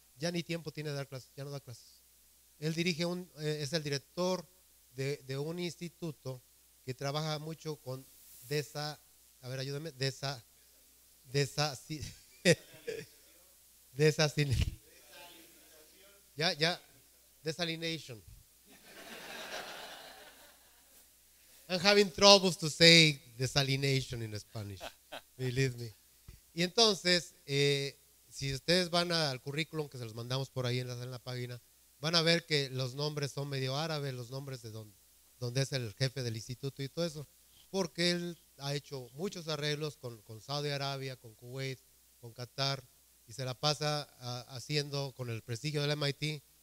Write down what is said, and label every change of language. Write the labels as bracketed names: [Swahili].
[Spanish] Ya ni tiempo tiene de dar clases, ya no da clases. Él dirige es el director de un instituto que trabaja mucho con desalination. [English] I'm having troubles to say desalination in Spanish, believe me. [Spanish] Y entonces, si ustedes van al currículum que se los mandamos por ahí en la página, van a ver que los nombres son medio árabes, los nombres de donde es el jefe del instituto y todo eso, porque él ha hecho muchos arreglos con Saudi Arabia, con Kuwait, con Qatar, y se la pasa haciendo con el prestigio del MIT.